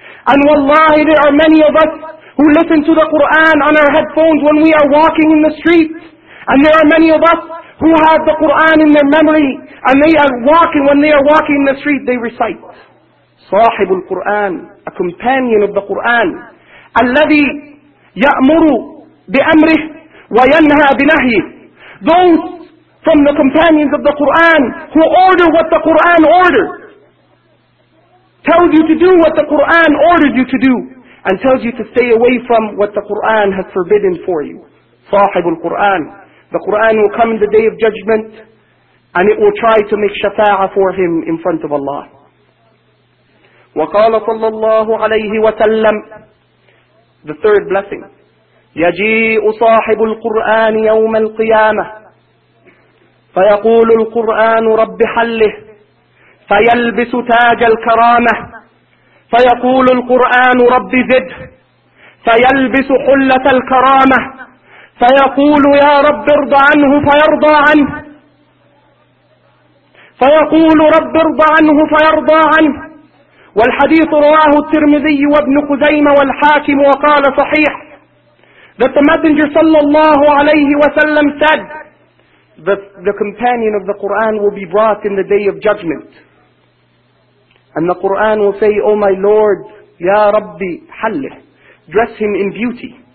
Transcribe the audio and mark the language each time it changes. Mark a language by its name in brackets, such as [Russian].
[English] And wallahi, there are many of us who listen to the Qur'an on our headphones when we are walking in the street. And there are many of us who have the Qur'an in their memory, and they are walking, when they are walking in the street, they recite. [Arabic] صاحب القرآن, [English] a companion of the Qur'an. [Arabic] الذي يأمر بأمره وينهى بنهيه. [English] Those from the companions of the Qur'an, who order what the Qur'an orders, tells you to do what the Qur'an ordered you to do, and tells you to stay away from what the Qur'an has forbidden for you. [Arabic] صاحب القرآن. [English] The Qur'an will come in the day of judgment, and it will try to make shafa'ah for him in front of Allah. [Arabic] وقال صلى الله عليه وسلم, [English] the third blessing, [Arabic] يجيء صاحب القرآن يوم القيامة فيقول القرآن رب حله فيلبس تاج الكرامة فيقول القرآن رب زده فيلبس حلة الكرامة فيقول يا رب ارض عنه فيرضى عنه فيقول رب ارض عنه فيرضى عنه. والحديث رواه الترمذي وابن خزيمة والحاكم وقال صحيح. [English] That the Messenger صلى الله عليه وسلم said, The companion of the Qur'an will be brought in the day of judgment. And the Qur'an will say, O my Lord, [Arabic] Ya Rabbi, Hallih, [English] dress him in beauty.